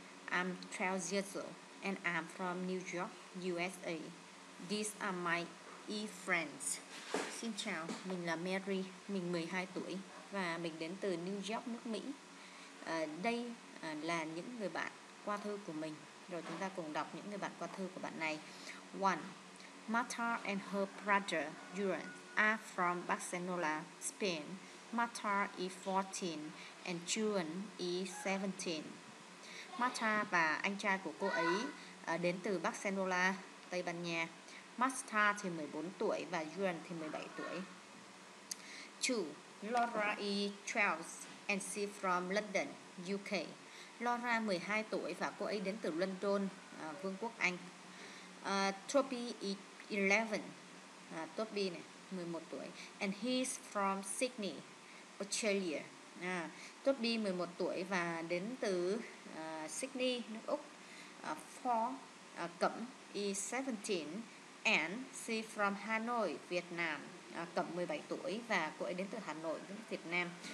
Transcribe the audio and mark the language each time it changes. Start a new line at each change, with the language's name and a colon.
English: I'm 12 years old and I'm from New York, USA. These are my e-friends.
Vietnamese: Xin chào, mình là Mary, mình 12 tuổi và mình đến từ New York, nước Mỹ. Đây là những người bạn qua thư của mình. Rồi chúng ta cùng đọc những người bạn qua thư của bạn này. 1.
English: Marta and her brother, Juan, are from Barcelona, Spain. Marta is 14 and Juan is 17.
Vietnamese: Marta và anh trai của cô ấy đến từ Barcelona, Tây Ban Nha. Marta thì 14 tuổi và Juan thì 17 tuổi. 2.
English: Laura is 12 and she from London, UK.
Vietnamese: Laura 12 tuổi và cô ấy đến từ London, Vương quốc Anh.
English: Toby is 11.
Vietnamese: Toby này, 11 tuổi.
English: And he's from Sydney, Australia.
Vietnamese: Toby 11 tuổi và đến từ Sydney, nước Úc.
English: 4. Cẩm is 17. And she from Hanoi, Việt Nam.
Vietnamese: Cẩm 17 tuổi và cô ấy đến từ Hà Nội, Việt Nam.